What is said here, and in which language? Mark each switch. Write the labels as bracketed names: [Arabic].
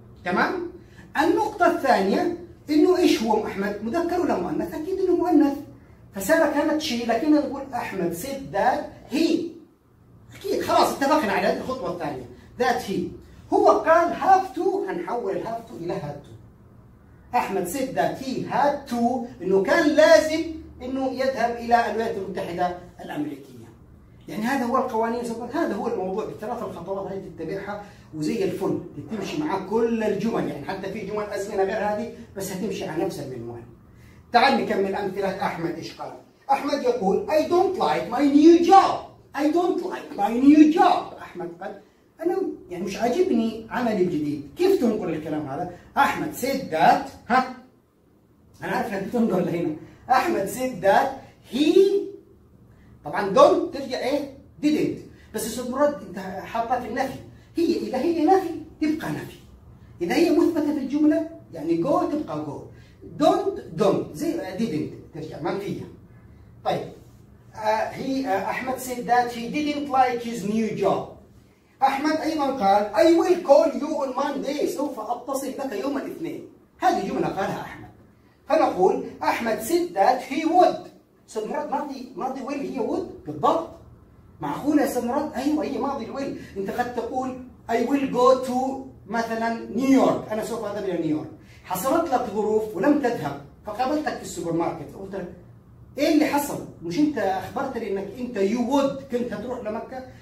[Arabic] تمام؟ النقطة الثانية إنه إيش هو أحمد؟ مذكر ولا مؤنث؟ أكيد إنه مؤنث. فسارة كانت شيء لكن نقول أحمد [English] said that he. [Arabic] أكيد خلاص اتفقنا على الخطوة الثانية. [English] That he. [Arabic] هو قال [English] have to، [Arabic] هنحول have to إلى [English] had to. [Arabic] أحمد [English] said that he had to، [Arabic] إنه كان لازم إنه يذهب إلى الولايات المتحدة الأمريكية. يعني هذا هو القوانين، هذا هو الموضوع. الثلاث الخطوات هذه تتبعها وزي الفل، تمشي مع كل الجمل، يعني حتى في جمل أزمنة غير هذه بس هتمشي على نفس المنوال. تعال نكمل أمثلة أحمد إيش قال. [English] Ahmed [Arabic] يقول [English] I don't like my new job. I don't like my new job. [Arabic] أحمد قال أنا يعني مش عاجبني عملي الجديد. كيف تنقل الكلام هذا؟ أحمد [English] said that، [Arabic] ها؟ أنا عارف أنك تنظر لهنا. أحمد [English] said that he، [Arabic] طبعاً [English] don't [Arabic] ترجع إيه؟ [English] didn't. [Arabic] بس أستاذ مراد أنت حاطها في النفي. هي إذا هي نفي تبقى نفي. إذا هي مثبتة في الجملة يعني [English] go [Arabic] تبقى go. [English] don't [Arabic] زي [English] didn't [Arabic] ترجع منفية. طيب [English] Ahmed said that he didn't like his new job. [Arabic] أحمد أيضا قال [English] I will call you on Monday، [Arabic] سوف أتصل بك يوم الاثنين. هذه جملة قالها أحمد. فنقول [English] Ahmed said that he would. [Arabic] سمرات ماضي [English] will [Arabic] هي [English] would [Arabic] بالضبط. معقولة سمرات؟ أيوه هي ماضي will. أنت قد تقول [English] I will go to [Arabic] مثلا نيويورك، أنا سوف أذهب إلى نيويورك. حصلت لك ظروف ولم تذهب فقابلتك في السوبر ماركت، قلت لك إيه اللي حصل؟ مش أنت أخبرتني أنك أنت [English] you would [Arabic] كنت هتروح لمكة؟